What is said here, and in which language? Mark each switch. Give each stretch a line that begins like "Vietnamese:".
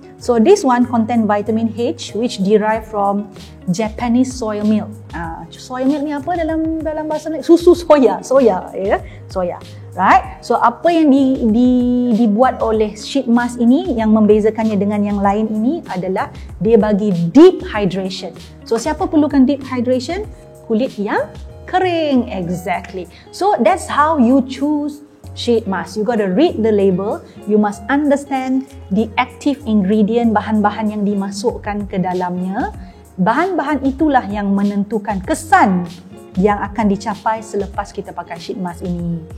English: So this one contain vitamin H which derived from Japanese soy milk.
Malay: Soy milk ni apa dalam bahasa ni? Susu soya, soya, ya, yeah?
English: Soya, right?
Malay: So apa yang dibuat oleh sheet mask ini yang membezakannya dengan yang lain ini adalah dia bagi deep hydration. So siapa perlukan deep hydration? Kulit yang kering, exactly.
English: So that's how you choose sheet mask. You gotta read the label. You must understand the active ingredient,
Malay: bahan-bahan yang dimasukkan ke dalamnya. Bahan-bahan itulah yang menentukan kesan yang akan dicapai selepas kita pakai sheet mask ini.